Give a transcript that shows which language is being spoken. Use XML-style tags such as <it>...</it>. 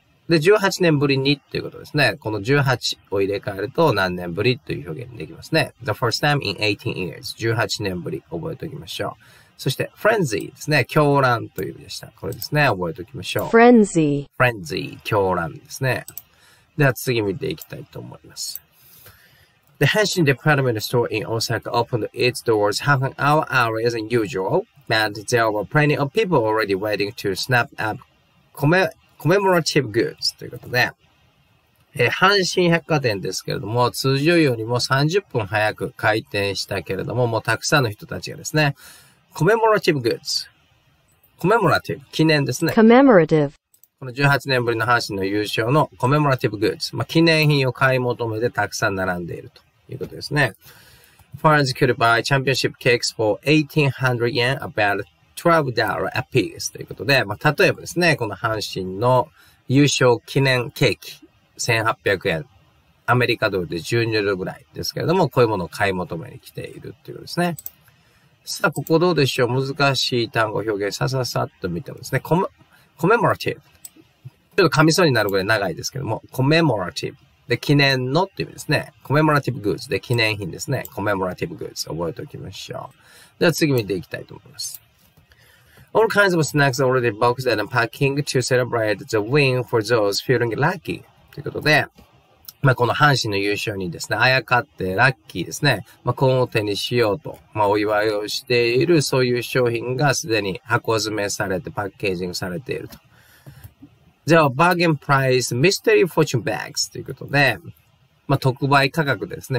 <ja>で、18年ぶりにということですね。この18を入れ替えると何年ぶりという表現にできますね。</ja> <en>The first time in 18 years.</en> <ja>18年ぶり覚えておきましょう。そして、frenzy ですね。狂乱という意味でした。これですね。覚えておきましょう。</ja> <en>frenzy。</en> <ja>frenzy。 狂乱ですね。では、次見ていきたいと思います。</ja> <en>The Hanshin Department Store in Osaka opened its doors half an hour earlier than usual, and there were plenty of people already waiting to snap up commemorative goods.</en> <ja>ということで、阪神百貨店ですけれども、通常よりも30分早く開店したけれども、もうたくさんの人たちがですね、commemorative goods。 commemorative、記念ですね。</ja> <en>commemorative。</en> <ja>この18年ぶりの阪神の優勝の commemorative goods。まあ、記念品を買い求めてたくさん並んでいると。いうことですね。</ja> <en>Fans could buy championship cakes for 1800 yen, about $12 a piece.</en> <ja>ということで、まあ、例えばですね、この阪神の優勝記念ケーキ、1800円、アメリカドルで12ドルぐらいですけれども、こういうものを買い求めに来ているということですね。さあ、ここどうでしょう？難しい単語表現、さささっと見てもですね、commemorative。ちょっと噛みそうになるぐらい長いですけども、commemorative。で、記念のっていう意味ですね。 commemorative goods で記念品ですね。commemorative goods 覚えておきましょう。では次見ていきたいと思います。</ja> <en>All kinds of snacks already boxed and packing to celebrate the win for those feeling lucky.</en> <ja>ということで、まあ、この阪神の優勝にですね、あやかってラッキーですね。まあ、幸運を手にしようと、まあ、お祝いをしているそういう商品がすでに箱詰めされてパッケージングされていると。では、バーゲンプライス、ミステリーフォーチュンバッグスということで、まあ、特売価格ですね。</ja>